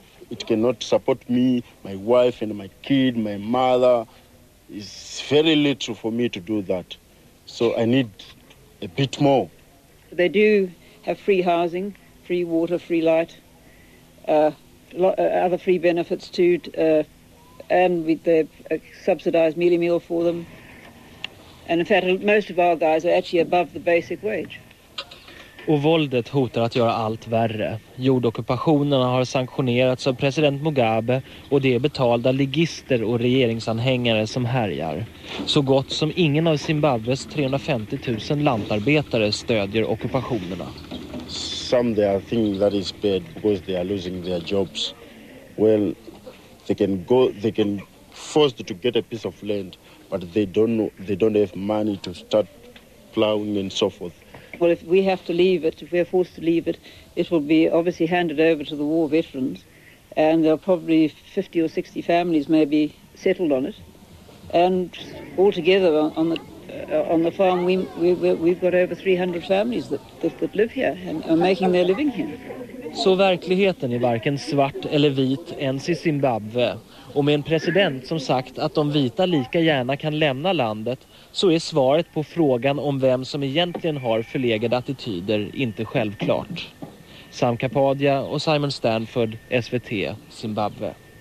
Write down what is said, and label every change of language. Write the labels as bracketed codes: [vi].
[en] It cannot support me, my wife and my kid, my mother. It's very little for me to do that. So I need a bit more. They do have free housing, free water, free light, other free benefits too, and with the subsidized mealy meal for them. And in fact, most of our guys are actually above the basic wage. [sv] Och våldet hotar att göra allt värre. Jordockupationerna har sanktionerats av president Mugabe och det är betalda ligister och regeringsanhängare som härjar. Så gott som ingen av Zimbabwes 350 000 lantarbetare stödjer ockupationerna. [en] Some they are thinking that is bad because they are losing their jobs. Well, they can forced to get a piece of land, but they don't have money to start plowing and so forth. Well, if we have to leave it, if we are forced to leave it, it will be obviously handed over to the war veterans, and there are probably 50 or 60 families maybe settled on it, and altogether on the farm we've got over 300 families that live here and are making their living here. [sv] Så verkligheten är varken svart eller vit ens i Zimbabwe. Och med en president som sagt att de vita lika gärna kan lämna landet, så är svaret på frågan om vem som egentligen har förlegade attityder inte självklart. Sam Kapadia och Simon Stanford, SVT, Zimbabwe.